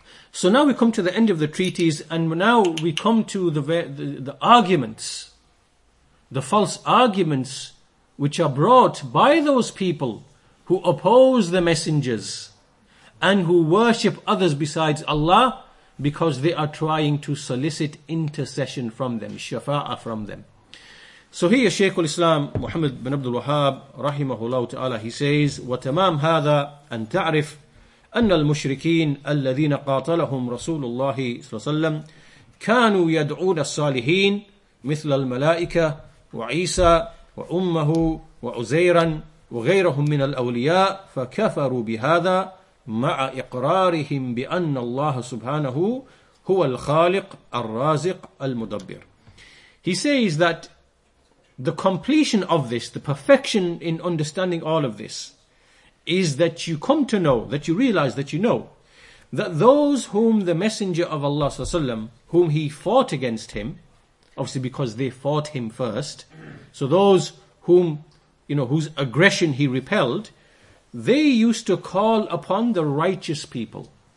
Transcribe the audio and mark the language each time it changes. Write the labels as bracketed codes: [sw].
[en] So now we come to the end of the treatise, and now we come to the arguments, the false arguments which are brought by those people who oppose the messengers and who worship others besides Allah because they are trying to solicit intercession from them, shafa'ah from them. So here Shaykh al-Islam Muhammad bin Abdul Wahhab rahimahullah ta'ala, he says, [ar] وَتَمَامْ هَذَا أَنْ تَعْرِفْ أَنَّ الْمُشْرِكِينَ الَّذِينَ قَاتَلَهُمْ رَسُولُ اللَّهِ صَلَّى اللَّهُ عَلَيْهِ وَسَلَّمْ كَانُوا يَدْعُونَ الصَّالِحِينَ مِثْلَ الْمَلَائِكَةِ وَعِيسَى وَأُمَّهُ وَعُزَيْرًا وغيرهم من الأولياء فكفروا بهذا مع إقرارهم بأن الله سبحانه هو الخالق الرازق المدبر. [en] He says that the completion of this, the perfection in understanding all of this, is that you come to know, that you realize, that you know, that those whom the Messenger of Allah [ar] صلى الله عليه وسلم, [en] whom he fought against him, obviously because they fought him first, so those whom, you know, whose aggression he repelled, they used to call upon the righteous people.